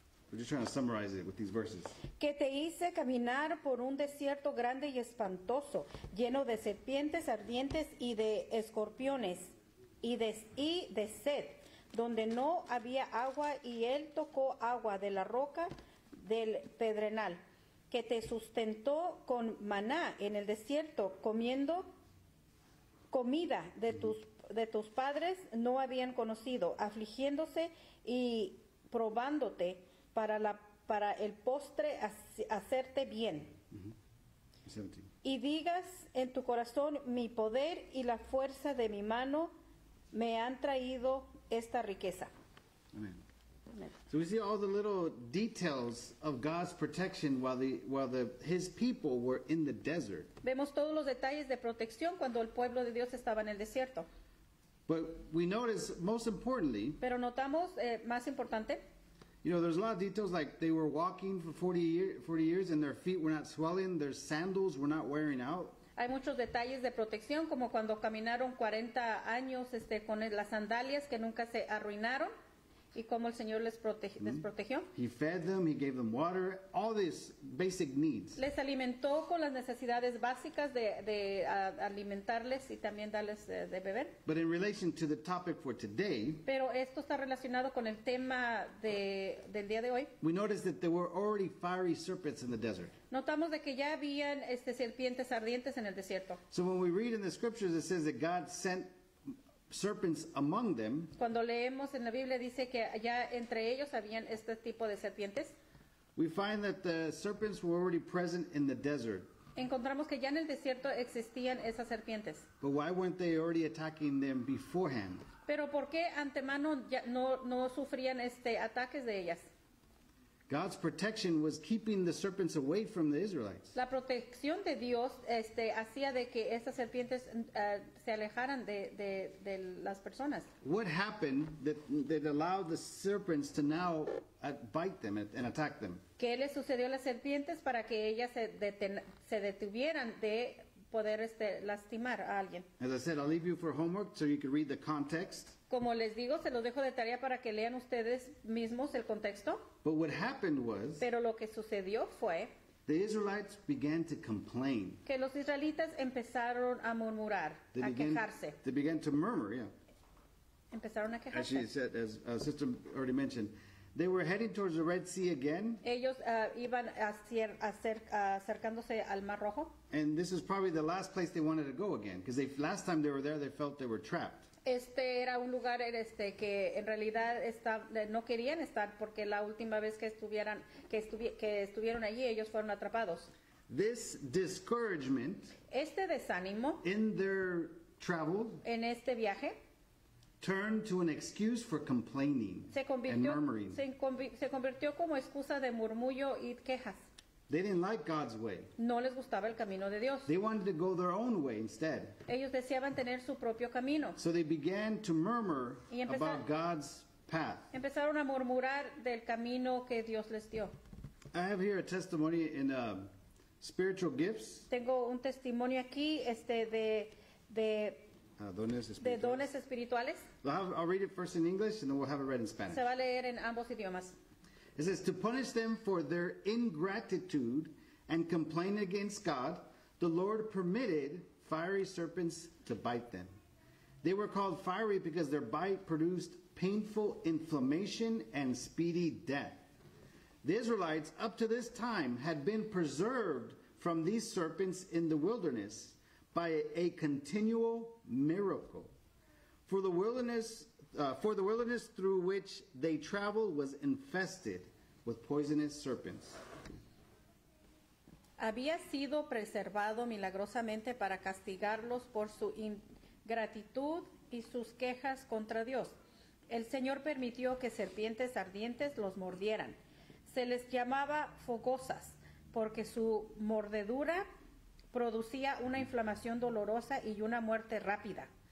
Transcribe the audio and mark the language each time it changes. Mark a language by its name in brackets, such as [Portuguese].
[English] We're just trying to summarize it with these verses. [Spanish] Que te hice caminar por un desierto grande y espantoso, lleno de serpientes ardientes y de escorpiones. Y de sed, donde no había agua, y él tocó agua de la roca del pedernal, que te sustentó con maná en el desierto, comiendo comida de tus padres no habían conocido, afligiéndose y probándote para el postre hacerte bien. Mm-hmm. Y digas en tu corazón, mi poder y la fuerza de mi mano me han traído esta riqueza. [English] Amen. So we see all the little details of God's protection while his people were in the desert. [Spanish] Vemos todos los detalles de protección cuando el pueblo de Dios estaba en el desierto. [English] But we notice most importantly. [Spanish] Pero notamos más importante. [English] You know, there's a lot of details like they were walking for 40 years and their feet were not swelling, their sandals were not wearing out. [Spanish] Hay muchos detalles de protección, como cuando caminaron 40 años con las sandalias que nunca se arruinaron, y cómo el Señor les protegió. [English] He fed them, he gave them water, all these basic needs. [Spanish] Les alimentó con las necesidades básicas de alimentarles y también darles de beber. [English] But in relation to the topic for today, [Spanish] pero esto está relacionado con el tema del día de hoy. [English] We noticed that there were already fiery serpents in the desert. [Spanish] Notamos de que ya habían serpientes ardientes en el desierto. [English] So when we read in the scriptures, it says that God sent serpents among them. [Spanish] Cuando leemos en la Biblia dice que ya entre ellos habían este tipo de serpientes. [English] We find that the serpents were already present in the desert. [Spanish] Encontramos que ya en el desierto existían esas serpientes. [English] But why weren't they already attacking them beforehand? [Spanish] Pero ¿por qué antemano ya no sufrían ataques de ellas? [English] God's protection was keeping the serpents away from the Israelites. [Spanish] La protección de Dios hacía de que esas serpientes se alejaran de las personas. [English] What happened that allowed the serpents to now bite them and attack them? [Spanish] ¿Qué le sucedió a las serpientes para que ellas se detuvieran de poder lastimar a alguien? [English] As I said, I'll leave you for homework so you can read the context. [Spanish] Como les digo, se los dejo de tarea para que lean ustedes mismos el contexto. [English] But what happened was, [Spanish] pero lo que sucedió fue, [English] the Israelites began to complain. [Spanish] Que los israelitas empezaron a murmurar, quejarse. [English] They began to murmur, yeah. [Spanish] Empezaron a quejarse. [English] As she said, as Sister already mentioned, they were heading towards the Red Sea again. [Spanish] Ellos iban acercándose al Mar Rojo. [English] And this is probably the last place they wanted to go again, because last time they were there, they felt they were trapped. [Spanish] Era un lugar que en realidad no querían estar, porque la última vez que estuvieron allí, ellos fueron atrapados. [English] This discouragement, [Spanish] desánimo, [English] in their travel, [Spanish] en viaje, [English] turned to an excuse for complaining and murmuring. [Spanish] Se convirtió como excusa de murmullo y quejas. [English] They didn't like God's way. [Spanish] No les gustaba el camino de Dios. [English] They wanted to go their own way instead. [Spanish] Ellos deseaban tener su propio camino. [English] So they began to murmur about God's path. [Spanish] Empezaron a murmurar del camino que Dios les dio. [English] I have here a testimony in spiritual gifts. [Spanish] Tengo un testimonio aquí dones espirituales. [English] I'll read it first in English and then we'll have it read in Spanish. [Spanish] Se va a leer en ambos idiomas. [English] It says, to punish them for their ingratitude and complaint against God, the Lord permitted fiery serpents to bite them. They were called fiery because their bite produced painful inflammation and speedy death. The Israelites up to this time had been preserved from these serpents in the wilderness by a continual miracle. For the wilderness through which they traveled was infested with poisonous serpents. [Spanish] Había sido preservado milagrosamente para castigarlos por su ingratitud y sus quejas contra Dios. El Señor permitió que serpientes ardientes los mordieran. Se les llamaba fogosas porque su mordedura producía una inflamación dolorosa y una muerte rápida.